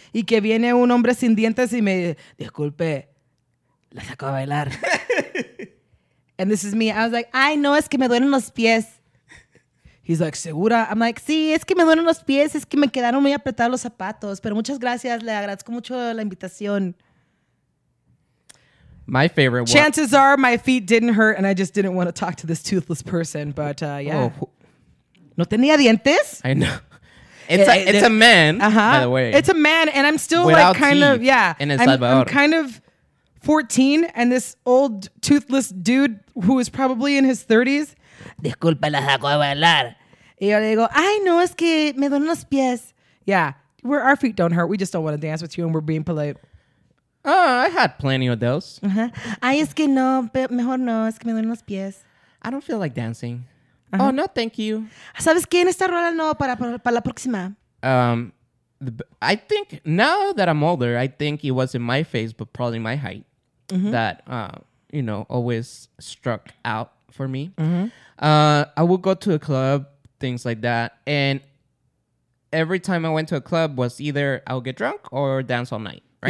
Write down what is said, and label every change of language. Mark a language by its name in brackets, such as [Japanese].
[Spanish] Y que viene un hombre sin dientes y me disculpe, la saco a bailar. [English] And this is me. I was like, [Spanish] ay, no, es que me duelen los pies. [English] He's like, ¿segura? I'm like, [Spanish] sí, es que me duelen los pies, es que me quedaron muy apretados los zapatos. Pero muchas gracias, le agradezco mucho la invitación. [English] My favorite one. Chances are my feet didn't hurt and I just didn't want to talk to this toothless person, but yeah. [Spanish] Oh. ¿No tenía dientes? [English] I know. It's a man, by the way. It's a man and I'm still without like kind teeth of, yeah. And it's I'm kind of 14 and this old toothless dude who is probably in his 30s. [Spanish] Disculpa, la saco a bailar. Y yo le digo, ay, no, es que me duelen los pies. [English] Yeah, our feet don't hurt. We just don't want to dance with you and we're being polite. I had plenty of those. [Spanish] Ay, es que no, mejor no, es que me duelen los pies. [English] I don't feel like dancing. Uh-huh. Oh, no, thank you. [Spanish] ¿Sabes qué? En esta rola no, para la próxima. [English] I think now that I'm older, I think it wasn't my face, but probably my height that, you know, always struck out for me. I would go to a club, things like that, and every time I went to a club was either I'll get drunk or dance all night, right?